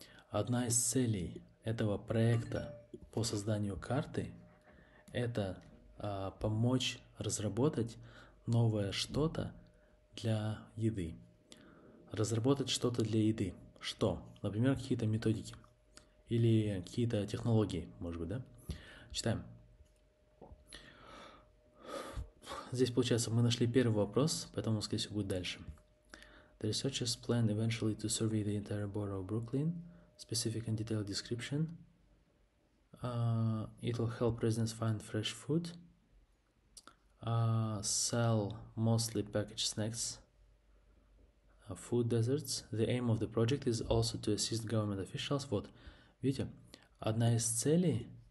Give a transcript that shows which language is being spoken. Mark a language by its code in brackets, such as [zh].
[ru] Одна из целей этого проекта по созданию карты – это помочь разработать новое что-то для еды. Разработать что-то для еды. Что? Например, какие-то методики или какие-то технологии, может быть, да? Читаем. Здесь, получается, мы нашли первый вопрос, поэтому, скорее всего, будет дальше. [en] The researchers plan eventually to survey the entire borough of Brooklyn. Specific and detailed description. It will help residents find fresh food. Sell mostly packaged snacks. Food deserts. The aim of the project is also to assist government officials. [ru] Вот, видите, одна из целей.